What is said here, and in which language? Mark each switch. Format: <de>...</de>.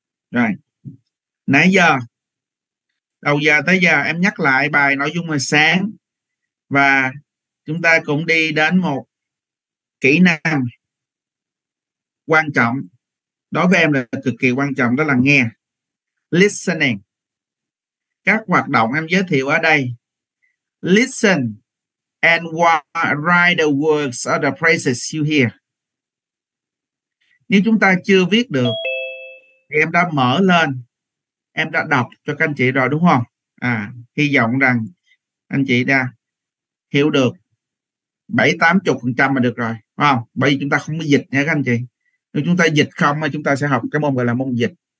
<vi>Rồi. Nãy giờ, đầu giờ tới giờ em nhắc lại bài nội dung hồi sáng và chúng ta cũng đi đến một kỹ năng quan trọng, đối với em là cực kỳ quan trọng, đó là nghe. Listening. Các hoạt động em giới thiệu ở đây.</vi> <en>Listen and write the words or the phrases you hear.</en> <vi>Nếu chúng ta chưa viết được, thì em đã mở lên, em đã đọc cho các anh chị rồi đúng không? À, hy vọng rằng anh chị đã hiểu được 70-80% là được rồi. Không? Bởi vì chúng ta không có dịch nha các anh chị. Nếu chúng ta dịch không thì chúng ta sẽ học cái môn gọi là môn dịch.</vi>